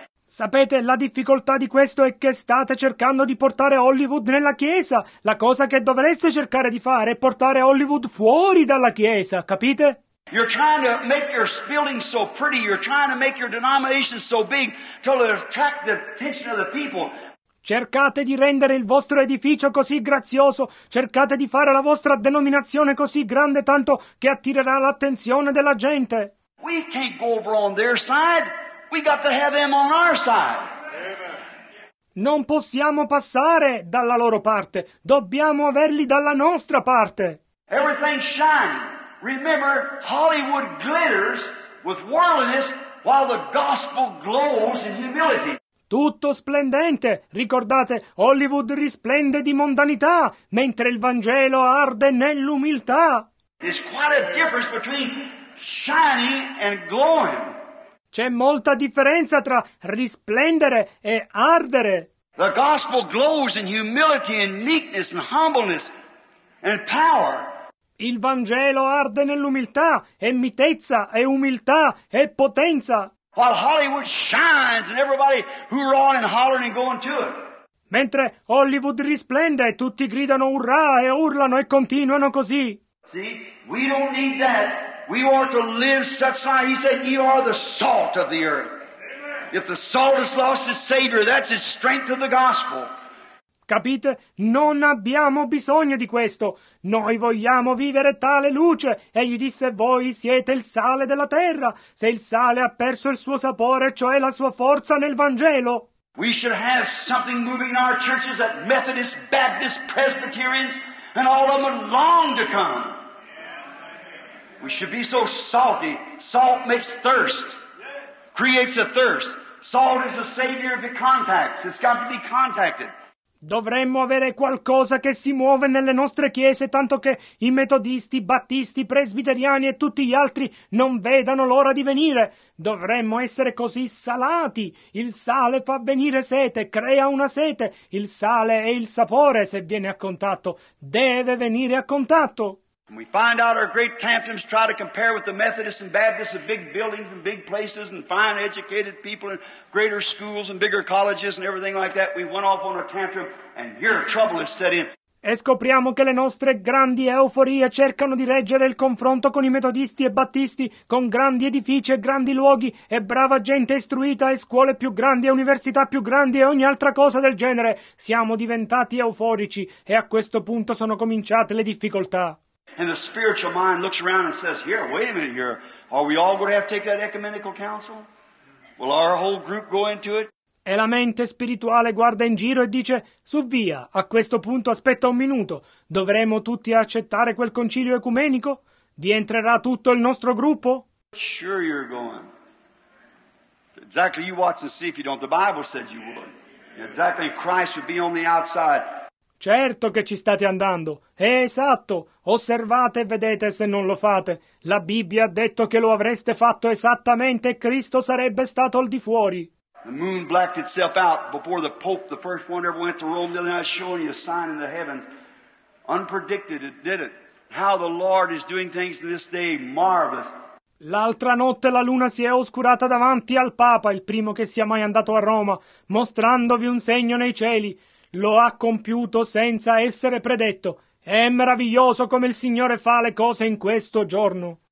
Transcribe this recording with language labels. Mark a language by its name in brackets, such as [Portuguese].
[Italian] Sapete, la difficoltà di questo è che state cercando di portare Hollywood nella chiesa. La cosa che dovreste cercare di fare è portare Hollywood fuori dalla chiesa, capite? [English] You're trying to make your building so pretty, you're trying to make your denomination so big to attract the attention of the people. [Italian] Cercate di rendere il vostro edificio così grazioso, cercate di fare la vostra denominazione così grande tanto che attirerà l'attenzione della gente. [English] We can't go over on their side. We got to have them on our side. [Italian] Non possiamo passare dalla loro parte. Dobbiamo averli dalla nostra parte. [English] Everything shines. Remember, Hollywood glitters with worldliness while the gospel glows in humility. [Italian] Tutto splendente. Ricordate, Hollywood risplende di mondanità, mentre il Vangelo arde nell'umiltà. [English] There's quite a difference between shining and glowing. [Italian] C'è molta differenza tra risplendere e ardere. [English] The gospel glows in humility and meekness and humbleness and power. [Italian] Il Vangelo arde nell'umiltà e mitezza e umiltà e potenza. [English] While Hollywood shines and everybody hoorah and hollering and going to it. [Italian] Mentre Hollywood risplende e tutti gridano hurrah e urlano e continuano così. [English] See, we don't need that. We ought to live such life. He said, you are the salt of the earth. If the salt has lost its savior, that's its strength of the gospel. [Italian] Capite? Non abbiamo bisogno di questo. Noi vogliamo vivere tale luce. E gli disse, voi siete il sale della terra. Se il sale ha perso il suo sapore, cioè la sua forza nel Vangelo. [English] We should have something moving in our churches that Methodists, Baptists, Presbyterians, and all of them long to come. We should be so salty. Salt makes thirst, creates a thirst. Salt is the savior of the contacts. It's got to be contacted. [Italian] Dovremmo avere qualcosa che si muove nelle nostre chiese, tanto che i metodisti, battisti, presbiteriani e tutti gli altri non vedano l'ora di venire. Dovremmo essere così salati. Il sale fa venire sete, crea una sete. Il sale è il sapore, se viene a contatto, deve venire a contatto. [English] And we find out our great tantrums try to compare with the Methodists and Baptists and big buildings and big places and fine educated people and greater schools and bigger colleges and everything like that. We went off on a tantrum and your trouble has set in. [Italian] E scopriamo che le nostre grandi euforie cercano di reggere il confronto con i metodisti e battisti, con grandi edifici e grandi luoghi e brava gente istruita e scuole più grandi e università più grandi e ogni altra cosa del genere. Siamo diventati euforici e a questo punto sono cominciate le difficoltà. [English] And the spiritual mind looks around and says, here, wait a minute here. Are we all going to have to take that ecumenical council? Will our whole group go into it? [Italian] E la mente spirituale guarda in giro e dice: su via, a questo punto aspetta un minuto, dovremo tutti accettare quel concilio ecumenico? Vi entrerà tutto il nostro gruppo? [English] Sure you're going. Exactly, you watch and see if you don't. The Bible said you would. Exactly, Christ would be on the outside. [Italian] Certo che ci state andando. È esatto. Osservate e vedete se non lo fate. La Bibbia ha detto che lo avreste fatto esattamente e Cristo sarebbe stato al di fuori. [English] The moon blacked itself out before the Pope, the first one ever went to Rome. The other night, showing you a sign in the heavens. Unpredicted, it did it. How the Lord is doing things in this day, marvelous. [Italian] L'altra notte la luna si è oscurata davanti al Papa, il primo che sia mai andato a Roma, mostrandovi un segno nei cieli. Lo ha compiuto senza essere predetto. È meraviglioso come il Signore fa le cose in questo giorno.